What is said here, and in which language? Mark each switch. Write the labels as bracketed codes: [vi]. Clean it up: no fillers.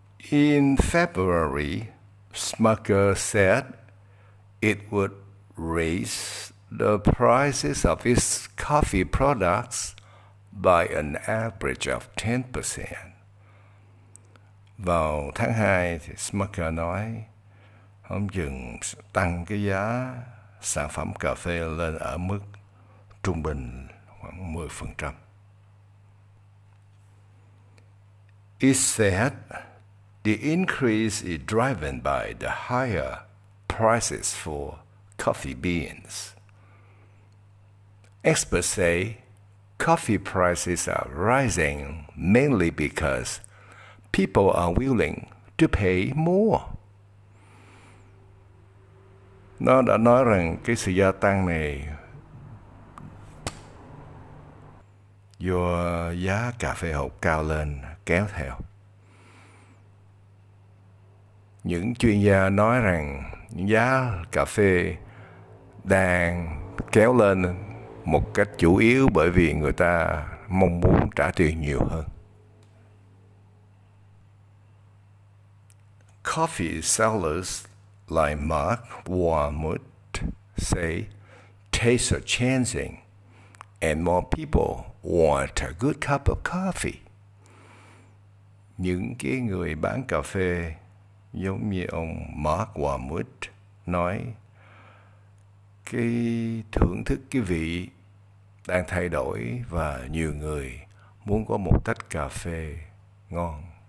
[en] In February, Smucker said it would raise the prices of its coffee products by an average of 10%. [vi] Vào tháng 2, thì Smucker nói ông dừng tăng cái giá sản phẩm cà phê lên ở mức trung bình khoảng 10%. [en] It said the increase is driven by the higher prices for coffee beans. Experts say coffee prices are rising mainly because people are willing to pay more. [vi] Nó đã nói rằng cái sự gia tăng này do giá cà phê hột cao lên kéo theo. Những chuyên gia nói rằng giá cà phê đang kéo lên một cách chủ yếu bởi vì người ta mong muốn trả tiền nhiều hơn. [en] Coffee sellers like Mark Warmut say tastes are changing and more people want a good cup of coffee. [vi] Những cái người bán cà phê giống như ông Mark Warmut nói, cái thưởng thức cái vị đang thay đổi và nhiều người muốn có một tách cà phê ngon.